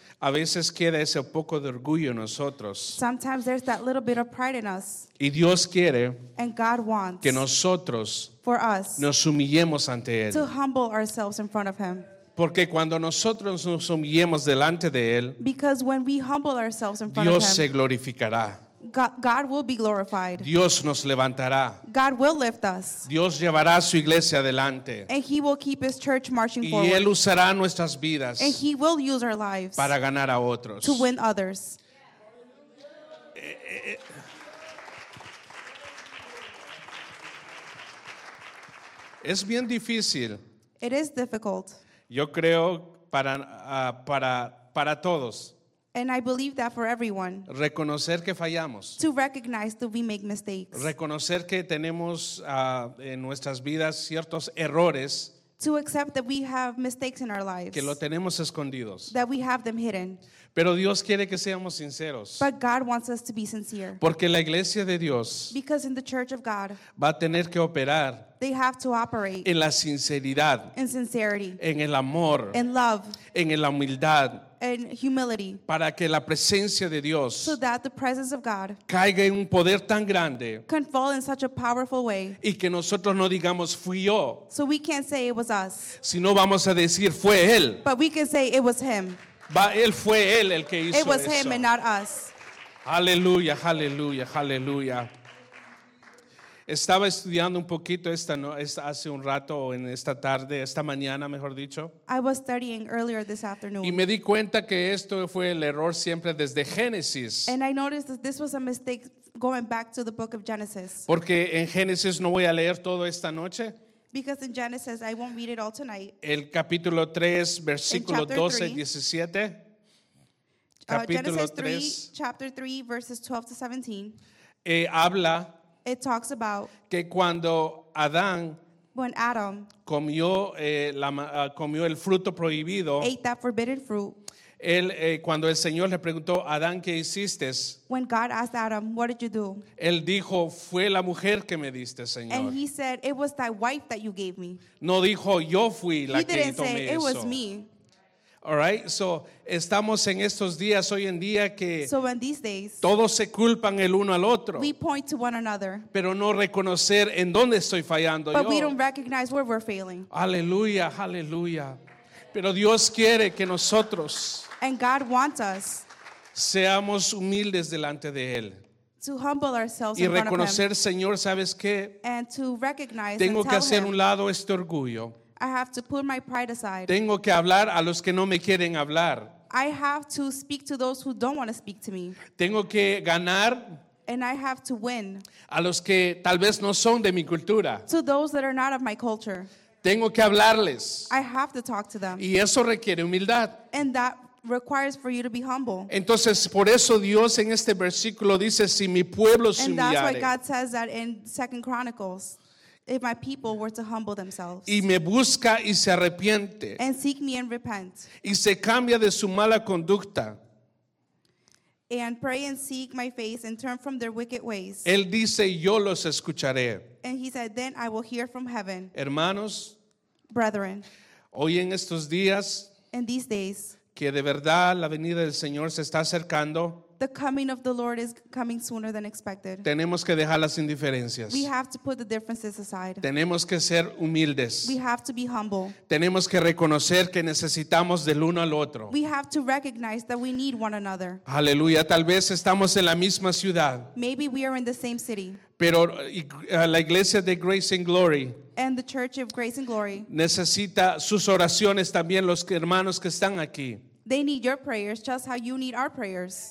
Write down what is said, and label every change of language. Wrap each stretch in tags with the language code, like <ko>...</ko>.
<es>a veces queda ese poco de orgullo en nosotros.</es> <en>Sometimes there's that little bit of pride in us.</en> <es>Y Dios quiere,</es> <en>and God wants,</en> <es>que nosotros,</es> <en>for us,</en> <es>nos humillemos ante Él,</es> <en>to humble ourselves in front of Him.</en> <es>Porque cuando nosotros nos humillemos delante de Él,</es> <en>because when we humble ourselves in front</en> <es>Dios</es> <en>of Him,</en> <es>se glorificará.</es> <en>God will be glorified.</en> <es>Dios nos levantará.</es> <en>God will lift us.</en> <es>Dios llevará a su iglesia adelante.</es> <en>And He will keep His church marching</en> <es>y</es> <en>forward.</en> <es>Y Él usará nuestras vidas.</es> <en>And He will use our lives.</en> <es>Para ganar a otros.</es> <en>To win others.</en> <es>Es bien difícil.</es> <en>It is difficult.</en> <es>Yo creo para todos.</es> <en>And I believe that for everyone.</en> <es>Reconocer que fallamos.</es> <en>To recognize that we make mistakes.</en> <es>Reconocer que tenemos en nuestras vidas ciertos errores.</es> <en>To accept that we have mistakes in our lives.</en> <es>Que lo tenemos escondidos.</es> <en>That we have them hidden.</en> <es>Pero Dios quiere que seamos sinceros.</es> <en>But God wants us to be sincere.</en> <es>Porque la iglesia de Dios,</es> <en>because in the church of God,</en> <es>va a tener que operar,</es> <en>they have to operate,</en> <es>en la sinceridad,</es> <en>in sincerity,</en> <es>en el amor,</es> <en>in love,</en> <es>en la humildad,</es> <en>and humility,</en> <es>para que la presencia de Dios,</es> <en>so that the presence of God,</en> <es>caiga en un poder tan grande,</es> <en>can fall in such a powerful way,</en> <es>y que nosotros no digamos fui yo,</es> <en>so we can't say it was us,</en> <es>sino vamos a decir fue Él,</es> <en>but we can say it was Him,</en> <es>va, Él fue Él el que hizo eso,</es> <en>it was</en> <es>eso.</es> <en>Him and not us.</en> <es>Aleluya, aleluya, aleluya. Estaba estudiando un poquito esta, ¿no?, hace un rato, o en esta tarde, esta mañana, mejor dicho.</es> <en>I was studying earlier this afternoon.</en> <es>Y me di cuenta que esto fue el error siempre desde Génesis.</es> <en>And I noticed that this was a mistake going back to the book of Genesis.</en> <es>Porque en Génesis no voy a leer todo esta noche.</es> <en>Because in Genesis, I won't read it all tonight.</en> <es>El capítulo 3, versículo 12-17.</es> <en>Genesis 3, chapter 3, verses 12-17.</en> <es>Habla.</es> <en>It talks about</en> <es>que cuando Adán,</es> <en>when Adam</en> <es>comió el fruto prohibido,</es> <en>ate that forbidden fruit,</en> <es>cuando el Señor le preguntó a Adán, ¿qué hiciste?</es> <en>When God asked Adam, what did you do?</en> <es>Él dijo, fue la mujer que me diste, Señor.</es> <en>And he said, it was that wife that you gave me.</en> <es>No dijo, yo fui la que tomé eso.</es> <en>He didn't say, it was me. All right, so</en> <es>estamos en estos días hoy en día que</es> <en>so in these days,</en> <es>todos se culpan el uno al otro.</es> <en>We point to one another,</en> <es>pero no reconocer en dónde estoy fallando.</es> <en>But</en> <es>yo.</es> <en>We don't recognize where we're failing.</en> <es>Aleluya, aleluya. Pero Dios quiere que nosotros</es> <en>and God wants us</en> <es>seamos humildes delante de Él.</es> <en>To humble ourselves</en> <es>y reconocer, Señor, ¿sabes qué?</es> <en>And to recognize</en> <es>tengo</es> <en>and</en> <es>que hacer</es> <en>him,</en> <es>un lado este orgullo.</es> <en>I have to put my pride aside.</en> <es>Tengo que hablar a los que no me quieren hablar.</es> <en>I have to speak to those who don't want to speak to me.</en> <es>Tengo que ganar.</es> <en>And I have to win.</en> <es>A los que tal vez no son de mi cultura.</es> <en>To those that are not of my culture.</en> <es>Tengo que hablarles.</es> <en>I have to talk to them.</en> <es>Y eso requiere humildad.</es> <en>And that requires for you to be humble.</en> <es>Entonces, por eso Dios en este versículo dice, si mi pueblo se humillare.</es> <en>And that's why God says that in 2 Chronicles. If my people were to humble themselves.</en> <es>Y me busca y se arrepiente.</es> <en>And seek me and repent.</en> <es>Y se cambia de su mala conducta.</es> <en>And pray and seek my face and turn from their wicked ways.</en> <es>Él dice, yo los escucharé.</es> <en>And he said, then I will hear from heaven.</en> <es>Hermanos.</es> <en>Brethren.</en> <es>Hoy en estos días.</es> <en>In these days.</en> <es>Que de verdad la venida del Señor se está acercando.</es> <en>The coming of the Lord is coming sooner than expected.</en> <es>Tenemos que dejar las indiferencias.</es> <en>We have to put the differences aside.</en> <es>Tenemos que ser humildes.</es> <en>We have to be humble.</en> <es>Tenemos que reconocer que necesitamos del uno al otro.</es> <en>We have to recognize that we need one another.</en> <es>Aleluya, tal vez estamos en la misma ciudad.</es> <en>Maybe we are in the same city.</en> <es>Pero la iglesia de Grace and Glory.</es> <en>And the Church of Grace and Glory.</en> <es>Necesita sus oraciones también los hermanos que están aquí.</es> <en>They need your prayers just how you need our prayers.</en>